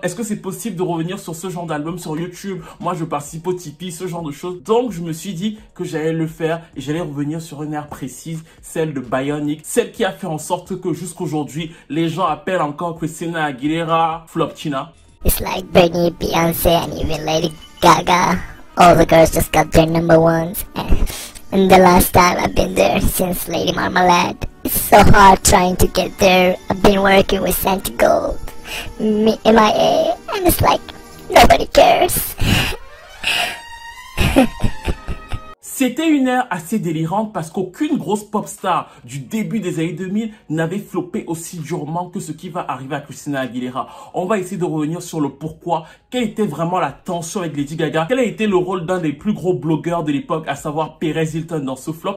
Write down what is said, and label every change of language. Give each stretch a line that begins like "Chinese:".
French: Est-ce que c'est possible de revenir sur ce genre d'album sur YouTube? Moi, je participe au Tipeee, ce genre de choses. » Donc, je me suis dit que j'allais le faire et j'allais revenir sur une ère précise, celle de Bionic, celle qui a fait en sorte que jusqu'aujourd'hui, les gens appellent encore Christina Aguilera Floptina.
English: It's like Britney, Beyoncé and even Lady Gaga. All the girls just got their number ones. And the last time I've been there since Lady Marmalade. It's so hard trying to get there. I've been working with Santa Gold, MIA, and it's like nobody cares.
French: C'était une ère assez délirante parce qu'aucune grosse pop star du début des années 2000 n'avait floppé aussi durement que ce qui va arriver à Christina Aguilera. On va essayer de revenir sur le pourquoi. Quelle était vraiment la tension avec Lady Gaga? Quel a été le rôle d'un des plus gros blogueurs de l'époque, à savoir Perez Hilton, dans ce flop?